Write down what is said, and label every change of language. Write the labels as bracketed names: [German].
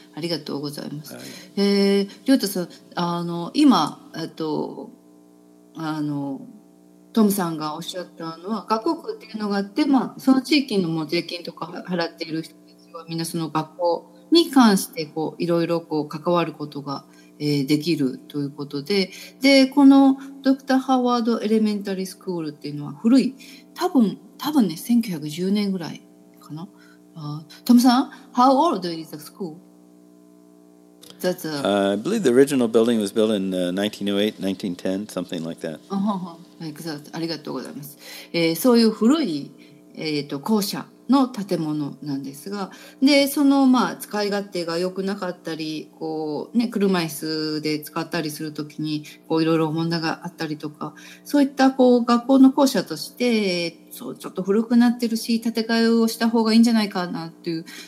[Japanese] ありがとうございます。リョータさん、今、トムさんがおっしゃったのは、学校区っていうのがあって、まあ、その地域のも税金とか払っている人たちは、みんなその学校に関して、こう、いろいろこう、関わることが、できるということで、で、このドクター・ハワード・エレメンタリー・スクールっていうのは古い、多分ね、1910年ぐらいかな。 [English] トムさん、How old is the school? That's I believe the original building was built in 1908, 1910, something like that. Exactly. [Japanese] ありがとうございます。そういう古い、校舎の建物なんですが、で、その、まあ、使い勝手が良くなかったり、こう、ね、車椅子で使ったりするときに、こう、いろいろ問題があったりとか、そういった、こう、学校の校舎として、そう、ちょっと古くなってるし、建て替えをした方がいいんじゃないかな、っていう。